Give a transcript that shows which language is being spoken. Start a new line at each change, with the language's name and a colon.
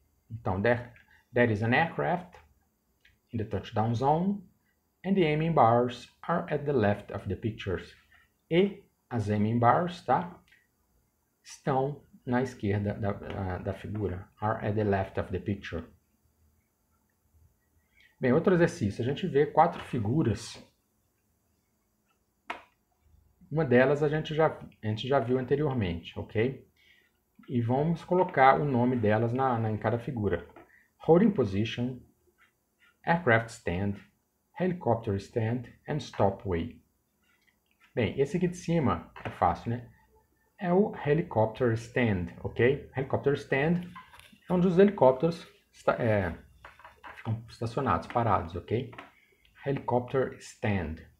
English: Então, there is an aircraft in the touchdown zone, and the aiming bars are at the left of the pictures.
Portuguese: E as aiming bars, tá, estão na esquerda da figura.
English: Are at the left of the picture.
Portuguese: Bem, outro exercício. A gente vê quatro figuras. Uma delas a gente já viu anteriormente, ok? E vamos colocar o nome delas em cada figura.
English: Holding position, aircraft stand, helicopter stand, and stopway.
Portuguese: Bem, esse aqui de cima é fácil, né? É o helicopter stand, ok? Helicopter stand é onde os helicópteros ficam estacionados, parados, ok?
English: Helicopter stand.